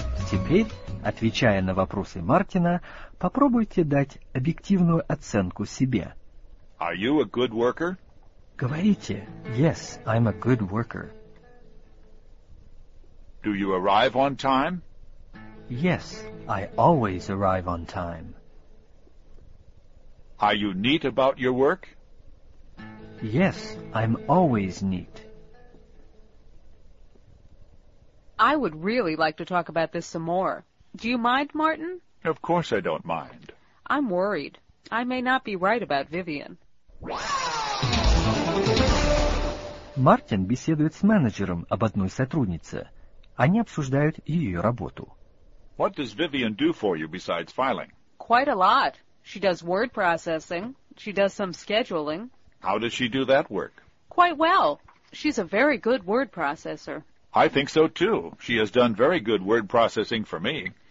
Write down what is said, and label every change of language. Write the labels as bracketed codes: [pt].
[ru] Теперь, отвечая на вопросы Мартина, попробуйте дать объективную оценку себе. [en] Are you a good worker? [ru] Говорите, [en] yes, I'm a good worker. Do you arrive on time? Yes, I always arrive on time. Are you neat about your work? Yes, I'm always neat. I would really like to talk about this some more. Do you mind, Martin? Of course I don't mind. I'm worried. I may not be right about Vivian. [ru] Мартин беседует с менеджером об одной сотруднице. Они обсуждают ее работу. [en] What does Vivian do for you besides filing? Quite a lot. She does word processing. She does some scheduling. How does she do that work? Quite well. She's a very good word processor. I think so, too. She has done very good word processing for me.